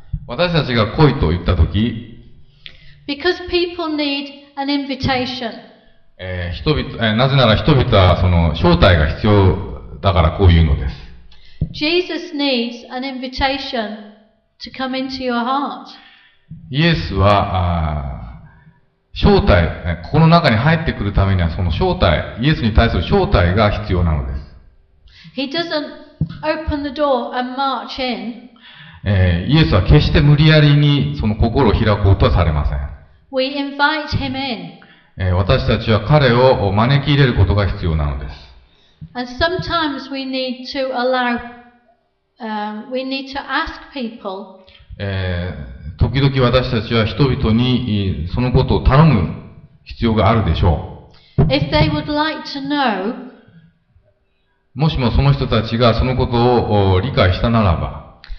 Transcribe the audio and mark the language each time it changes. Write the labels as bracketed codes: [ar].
[ja] 私たちが来いと言ったとき。 [en] Because people need an invitation. [ja] なぜなら人々はその招待が必要だからこう言うのです。 [en] Jesus needs an invitation to come into your heart. [ja] イエスは招待、心の中に入ってくるためにはその招待、イエスに対する招待が必要なのです。 [en] He doesn't open the door and march in. [ja] イエスは決して無理やりにその心を開こうとはされません。 [en] We invite him in. [ja] 私たちは彼を招き入れることが必要なのです。 [en] And sometimes we need to allow, we need to ask people. [ja] 時々私たちは人々にそのことを頼む必要があるでしょう。 [en] If they would like to know, [ja] もしもその人たちがそのことを理解したならば、